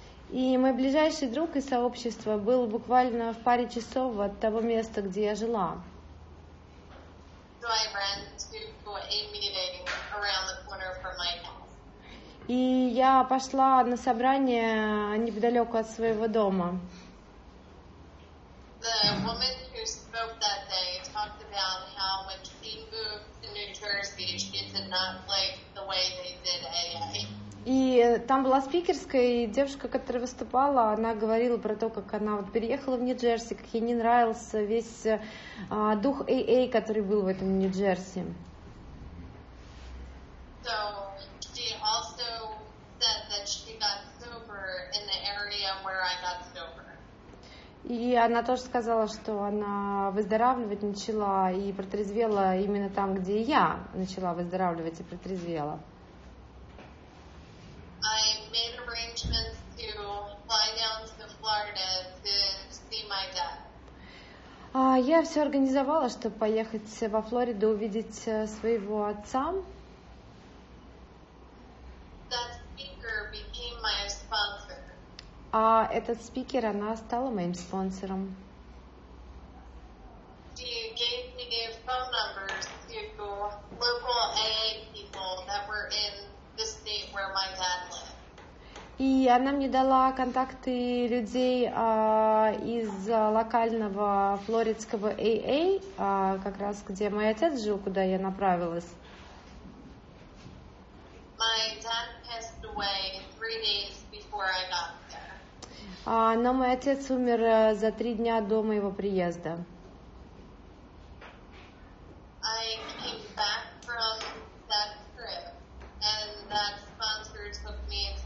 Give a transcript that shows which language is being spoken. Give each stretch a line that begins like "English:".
Russian: И мой ближайший друг из сообщества был буквально в паре часов от того места, где я жила.
English: So I ran to a meeting around the corner from my house.
Russian: И я пошла на собрание неподалеку от своего дома.
English: The woman who spoke that day talked about how when she moved to New Jersey, she did not like the way they did AA.
Russian: И там была спикерская, и девушка, которая выступала, она говорила про то, как она вот переехала в Нью-Джерси, как ей не нравился весь дух AA, который был в этом Нью-Джерси.
English: So, she also said that she got sober in the area where I got sober.
Russian: И она тоже сказала, что она выздоравливать начала и протрезвела именно там, где я начала выздоравливать и протрезвела.
English: I made arrangements to fly down to Florida to see my dad.
Russian: Я все организовала, чтобы поехать во Флориду увидеть своего отца.
English: That speaker became my sponsor.
Russian: Этот спикер, она стала моим спонсором.
English: She gave me phone numbers to local AA people that were in the state where my dad lived.
Russian: И она мне дала контакты людей из локального флоридского AA, как раз где мой отец жил, куда я направилась.
English: My dad passed away 3 days before I got there.
Russian: Но мой отец умер за 3 дня до моего приезда.
English: I came back from that trip, and that sponsor took me